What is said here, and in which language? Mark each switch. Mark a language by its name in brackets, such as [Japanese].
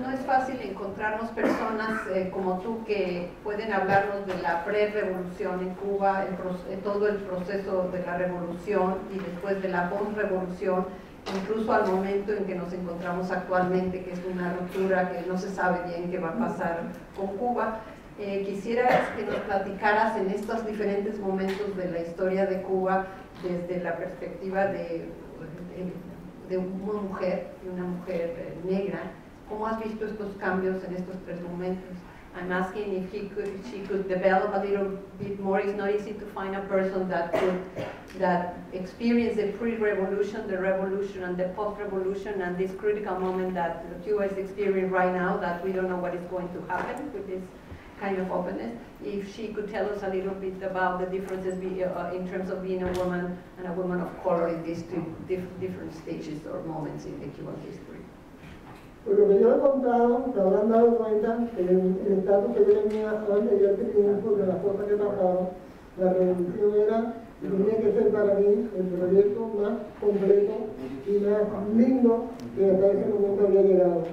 [Spanish] no es fácil encontrarnos personas como tú que pueden hablarnos de la pre-revolución en Cuba, todo el proceso de la revolución y después de la post-revolución, incluso al momento en que nos encontramos actualmente, que es una ruptura que no se sabe bien qué va a pasar con Cuba. Quisiera que nos platicaras en estos diferentes momentos de la historia de Cuba desde la perspectiva de una mujer, y una mujer negra, ¿cómo has visto estos cambios en estos tres momentos? [English] I'm asking if she could develop a little bit more. It's not easy to find a person that could that experience the pre-revolution, the revolution, and the post-revolution, and this critical moment that Cuba is experiencing right now, that we don't know what is going to happen with this kind of openness. If she could tell us a little bit about the differences in terms of being a woman and a woman of color in these two different stages or moments in the Cuban history. [Spanish] Pues lo que yo he contado, me habrán dado cuenta que en el tanto que yo tenía antes de este tiempo, de las cosas que pasaban, la revolución era, tenía que ser para mí el proyecto más completo y más lindo que hasta ese momento había llegado.